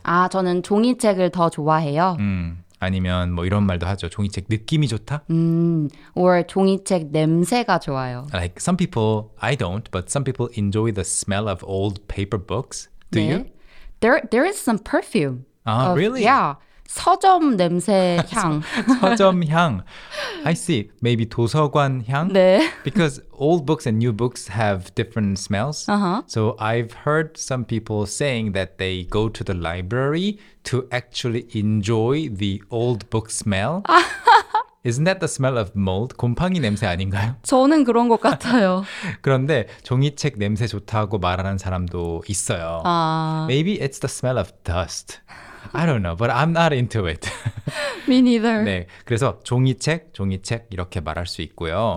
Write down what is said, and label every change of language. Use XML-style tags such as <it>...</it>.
<ko>아, 저는 종이책을 더 좋아해요. 아니면 뭐 이런 말도 하죠. 종이책 느낌이 좋다? Or 종이책 냄새가 좋아요.</ko> <en>Like some people, I don't, but some people enjoy the smell of old paper books. Do</en> <ko>네.</ko> <en>you? There is some perfume. Ah, really?</en> <ko>Yeah. 서점 냄새 향. 서점 향. I see. Maybe 도서관 향? 네.</ko> <en>Because old books and new books have different smells. Uh-huh. So I've heard some people saying that they go to the library to actually enjoy the old book smell. Isn't that the smell of mold? 곰팡이 냄새 아닌가요?</en> <ko>저는 그런 것 같아요. 그런데 종이책 냄새 좋다고 말하는 사람도 있어요. 아...</ko> <en>Maybe it's the smell of dust. I don't know, but I'm not into it. Me neither.</en> <ko>네, 그래서 종이책 이렇게 말할 수 있고요.</ko>